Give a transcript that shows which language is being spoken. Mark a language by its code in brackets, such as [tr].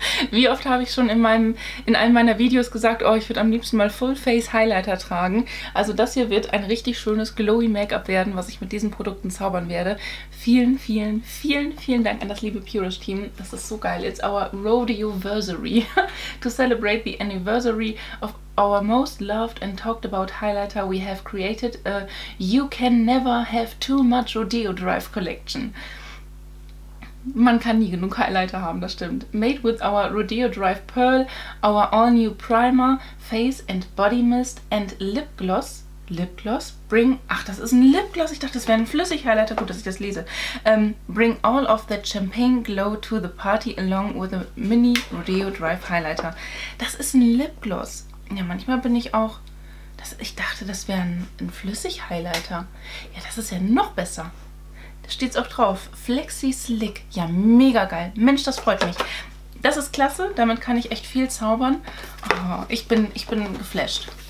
[de] Wie oft habe ich schon in einem meiner Videos gesagt, oh, ich würde am liebsten mal Full-Face-Highlighter tragen. Also das hier wird ein richtig schönes Glowy-Make-up werden, was ich mit diesen Produkten zaubern werde. Vielen, vielen, vielen, vielen Dank an das liebe Purish-Team. Das ist so geil. [en] It's our Rodeo-versary. To celebrate the anniversary of our most loved and talked about highlighter we have created, a You Can Never Have Too Much Rodeo Drive Collection. [de] Man kann nie genug Highlighter haben, das stimmt. [en] Made with our Rodeo Drive Pearl, our all new Primer, Face and Body Mist and Lip Gloss. Lip Gloss? Bring... [de] Ach, das ist ein Lip Gloss. Ich dachte, das wäre ein Flüssig-Highlighter. Gut, dass ich das lese. [en] Bring all of that Champagne Glow to the party along with a mini Rodeo Drive Highlighter. [de] Das ist ein Lip Gloss. Ja, manchmal bin ich auch... Ich dachte, das wäre ein Flüssig-Highlighter. Ja, das ist ja noch besser. Da steht es auch drauf. Flexi Slick. Ja, mega geil. Mensch, das freut mich. Das ist klasse. Damit kann ich echt viel zaubern. Oh, ich bin geflasht.